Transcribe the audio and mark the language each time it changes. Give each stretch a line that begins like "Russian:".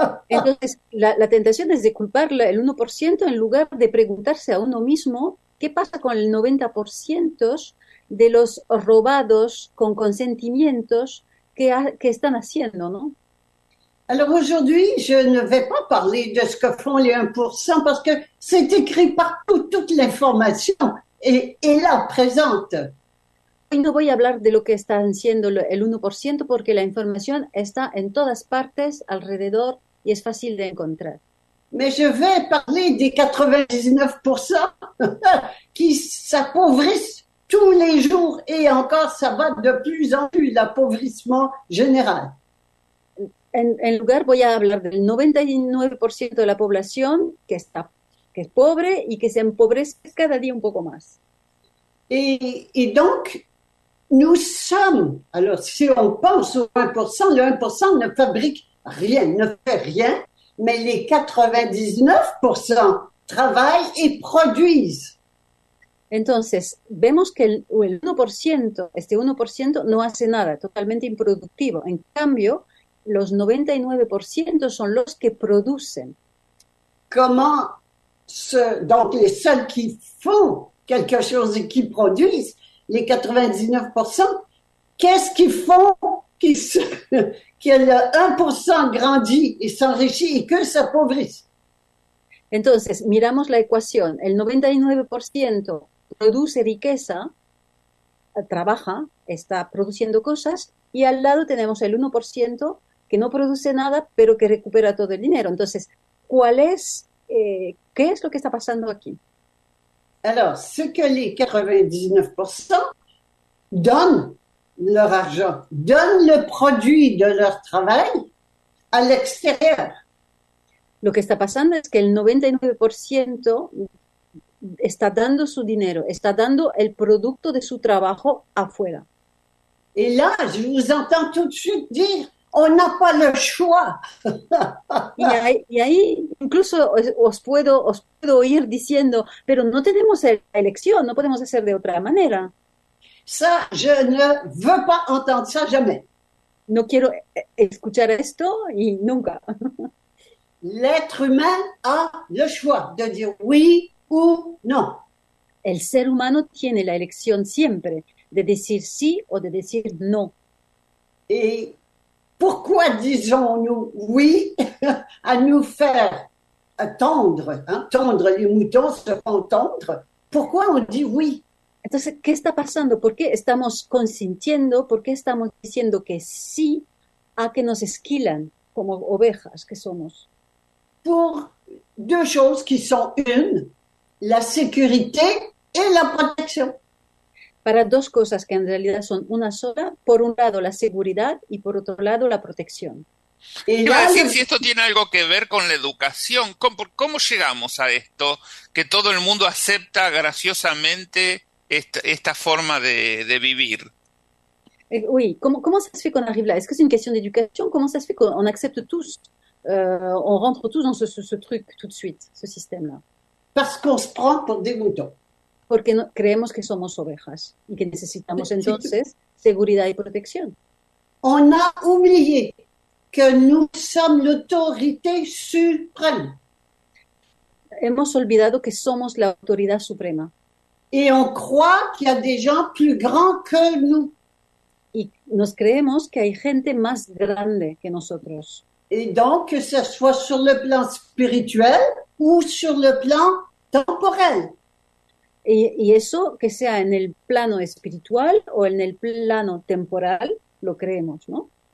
Spanish: Entonces, la tentación es de culpar el 1% en lugar de preguntarse a uno mismo qué pasa con el 90% de los robados con consentimientos que están haciendo, ¿no?
French: Alors aujourd'hui, je ne vais pas parler de ce que font les 1% parce que c'est écrit partout, toute l'information est là, présente.
Spanish: Hoy no voy a hablar de lo que está haciendo el 1% porque la información está en todas partes, alrededor, y es fácil de encontrar.
French: Mais je vais parler des 99% qui s'appauvrissent tous les jours et encore ça va de plus en plus, l'appauvrissement général.
Spanish: En lugar voy a hablar del 99% de la población que es pobre y que se empobrece cada día un poco más.
French: Y donc, nous sommes, alors si on pense au 1%, le 1% ne fabrique rien, ne fait rien, mais les 99% travaillent et produisent.
Spanish: Entonces, vemos que el 1%, este 1% no hace nada, totalmente improductivo. En cambio, los 99% son los que producen.
French: Comment donc les seuls qui font quelque chose et qui produisent, les 99%, qu'est-ce qu'ils font que le 1% grandit et s'enrichit et que s'appauvrisse?
Spanish: Entonces, miramos la ecuación. El 99% produce riqueza, trabaja, está produciendo cosas y al lado tenemos el 1% que no produce nada, pero que recupera todo el dinero. Entonces, ¿cuál es, qué es lo que está pasando aquí?
French: Alors, ce que les 99% donnent leur argent, donnent le produit de leur travail à l'extérieur.
Spanish: Lo que está pasando es que el 99% está dando su dinero, está dando el producto de su trabajo afuera.
French: Et là, je vous entends tout de suite dire, on n'a pas le choix.
Spanish: Y ahí incluso os puedo oír diciendo, pero no tenemos la elección, no podemos hacer de otra manera.
French: Ça, je ne veux pas entendre ça jamais.
Spanish: No quiero escuchar esto y nunca.
French: L'être humain a le choix de dire oui ou non.
Spanish: El ser humano tiene la elección siempre de decir sí o de decir no.
French: Pourquoi disons-nous oui à nous faire tendre, hein, tendre les moutons, se font tendre? Pourquoi on dit oui?
Spanish: Entonces, ¿qué está pasando? ¿Por qué estamos consintiendo? ¿Por qué estamos diciendo que sí a que nos esquilan como ovejas que somos?
French: Pour deux choses qui sont une, la sécurité et la protection.
Spanish: Para dos cosas que en realidad son una sola, por un lado la seguridad y por otro lado la protección. Quiero decir si esto tiene algo que ver con la educación. ¿Cómo llegamos a esto que todo el mundo acepta graciosamente esta forma de vivir?
French: Oui, comment ça se fait qu'on arrive là? Est-ce que c'est une question d'éducation? Comment ça se fait qu'on accepte tous, on rentre tous dans ce truc tout de suite, ce système-là? Parce qu'on se prend pour des moutons.
Spanish: Porque no, creemos que somos ovejas y que necesitamos
French: C'est tout.
Spanish: entonces seguridad y protección.
French: On a oublié que nous sommes l'autorité suprême.
Spanish: Hemos olvidado que somos la autoridad suprema.
French: Et on croit qu'il y a des gens plus grands que nous.
Spanish: Y nos creemos que hay gente más grande que nosotros.
French: Et donc, que ce soit sur le plan spirituel ou sur le plan temporel.
Spanish: Y eso, que sea en el plano espiritual o en el plano temporal, lo creemos, ¿no?